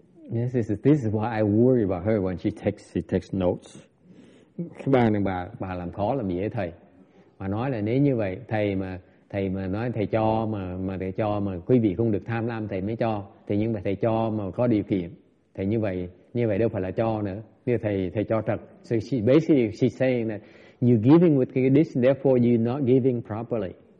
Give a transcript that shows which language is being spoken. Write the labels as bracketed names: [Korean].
[English] Yes, this is why I worry about her when she takes notes. [Vietnamese] Cái bà này bà làm khó làm dễ thầy. Bà nói là nếu như vậy thầy mà nói thầy cho mà thầy cho mà quý vị không được tham lam thầy mới cho. Thì nhưng mà thầy cho mà có điều kiện. Thầy như vậy đâu phải là cho nữa. Như thầy cho thật. [English] So she's saying that you're giving with condition, therefore you're not giving properly.